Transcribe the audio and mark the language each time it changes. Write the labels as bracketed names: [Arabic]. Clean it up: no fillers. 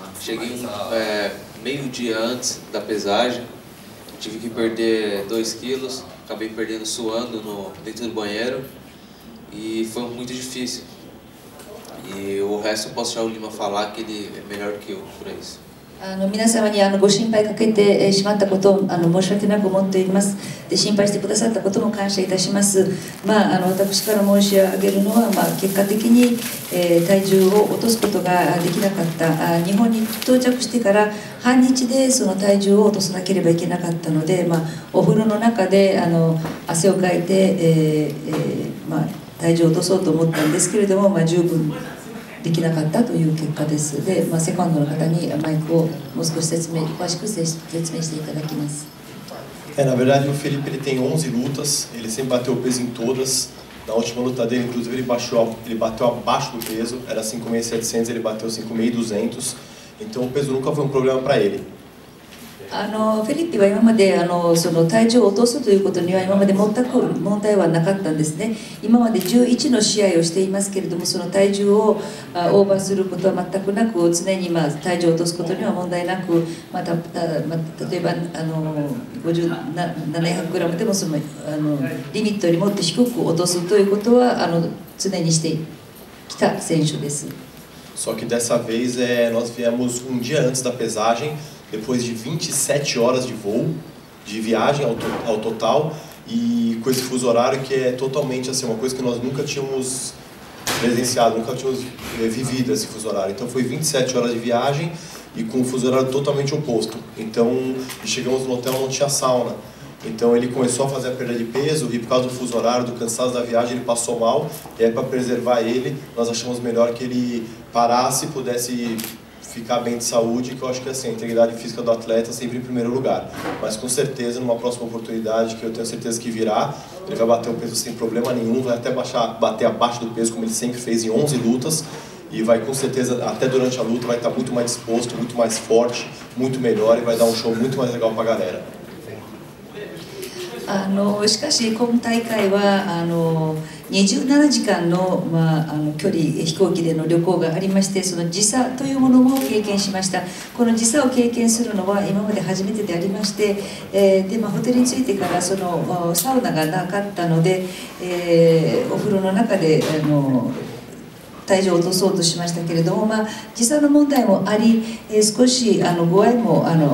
[Portuguese] Cheguei meio dia antes da pesagem. Tive que perder 2 quilos. Acabei perdendo suando dentro do banheiro. E foi muito difícil. E o resto eu posso deixar o Lima falar, que ele é melhor que eu por isso. [Japanese] 皆様にご心配かけてしまったことを申し訳なく思っています。で、心配してくださったことも感謝いたします。まあ、私から申し上げるのは、まあ、結果的に、体重を落とすことができなかった。日本に到着してから半日でその体重を落とさなければいけなかったので、まあ、お風呂の中で汗をかいて、まあ、体重を落とそうと思ったんですけれども、まあ、十分できなかったという結果です。で、まあ、セカンドの方にマイクをもう少し詳しく説明していただきます。 [Portuguese] Na verdade, o Felipe ele tem 11 lutas, ele sempre bateu o peso em todas. Na última luta dele, inclusive, ele bateu abaixo do peso, era 5.700, ele bateu 5.200. Então, o peso nunca foi problema para ele. [Japanese] フィリピは今までその体重を落とすということには今まで全く問題はなかったんですね。今まで11の試合をしていますけれども、その体重をオーバーすることは全くなく、常に、まあ、体重を落とすことには問題なく、また、例えば700グラムでもそのリミットよりもっと低く落とすということは常にしてきた選手です。 [Portuguese] Só que dessa vez, nós viemos um dia antes da pesagem. Depois de 27 horas de voo, de viagem ao total, e com esse fuso horário que é totalmente assim, uma coisa que nós nunca tínhamos presenciado, nunca tínhamos vivido esse fuso horário. Então foi 27 horas de viagem e com um fuso horário totalmente oposto. Então chegamos no hotel, não tinha sauna. Então ele começou a fazer a perda de peso e por causa do fuso horário, do cansaço da viagem, ele passou mal. E aí, para preservar ele, nós achamos melhor que ele parasse e pudesse. Ficar bem de saúde, que eu acho que assim, a integridade física do atleta sempre em primeiro lugar. Mas com certeza, numa próxima oportunidade, que eu tenho certeza que virá, ele vai bater o peso sem problema nenhum, vai até bater abaixo do peso, como ele sempre fez em 11 lutas, e vai com certeza, até durante a luta, vai estar muito mais disposto, muito mais forte, muito melhor, e vai dar um show muito mais legal pra galera. [Japanese] しかし、今大会は27時間の、まあ、距離、飛行機での旅行がありまして、その時差というものも経験しました。この時差を経験するのは今まで初めてでありまして、でまあ、ホテルに着いてからその、まあ、サウナがなかったので、お風呂の中で体重を落とそうとしましたけれども、まあ、時差の問題もあり、少し具合も